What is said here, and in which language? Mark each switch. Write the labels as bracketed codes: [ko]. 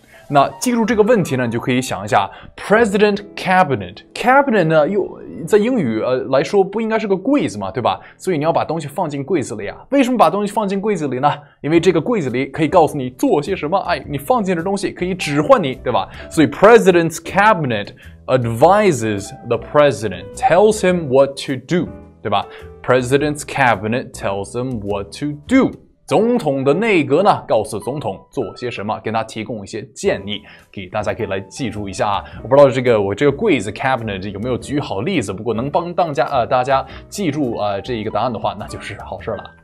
[zh] 那记住这个问题呢，你就可以想一下 president cabinet。 cabinet 呢，又在英语来说不应该是个柜子嘛，对吧？所以你要把东西放进柜子里啊。为什么把东西放进柜子里呢？因为这个柜子里可以告诉你做些什么，哎，你放进的东西可以指唤你，对吧？ [en] 所以 president's cabinet advises the president， tells him what to do，对吧？ president's cabinet tells him what to do。 [zh] 总统的内阁呢告诉总统做些什么，给他提供一些建议，给大家可以来记住一下啊。我不知道我这个柜子 cabinet 有没有举好例子，不过能帮大家记住这一个答案的话，那就是好事了。